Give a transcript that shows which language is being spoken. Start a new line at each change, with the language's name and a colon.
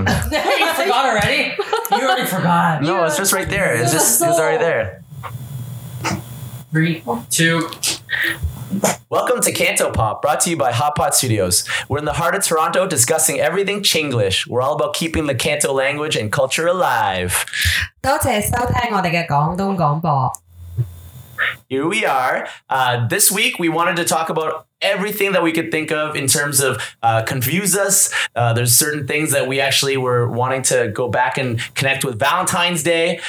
English: You forgot already? You already forgot. No, it's just right there. It's just, it's already there. 3, 2... Welcome to Canto Pop, brought to you by Hot Pot Studios. We're in the heart of Toronto discussing everything Chinglish. We're all about keeping the Canto language and culture alive.
Cantonese: 多謝收聽我哋嘅廣東廣播。
English: Here we are. This week, we wanted to talk about everything that we could think of in terms of confuse us. There's certain things that we actually were wanting to go back and connect with Valentine's Day.